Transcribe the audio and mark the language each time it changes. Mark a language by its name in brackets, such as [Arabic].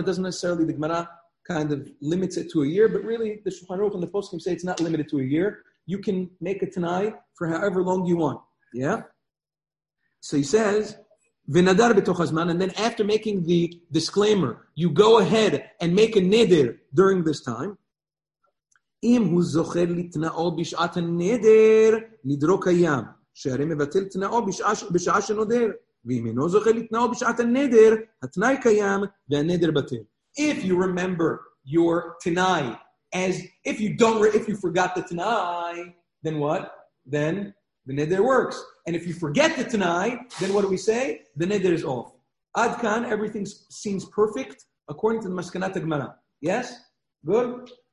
[English] It doesn't necessarily, the Gemara kind of limits it to a year, but really the Shulchan Aruch and the Poskim say it's not limited to a year. You can make a tanai for however long you want. Yeah? So he says, [Hebrew] ve'nadar betoch hazman, [English] and then after making the disclaimer, you go ahead and make a neder during this time. [Hebrew] אם הוא זוכר לתנאו בשעת הנדר, נדרו קיים, שהרי מבטל תנאו בשעה שנודר. ואם אינו זוכר לתנאו בשעת הנדר, התנאי קיים והנדר בטל. [English] If you remember your tanai, as if you forgot the tanai, then what? Then the neder works. And if you forget the tanai, then what do we say? The neder is off. [Hebrew] עד כאן, [English] everything seems perfect according to the מסקנת הגמרא. Yes? Good?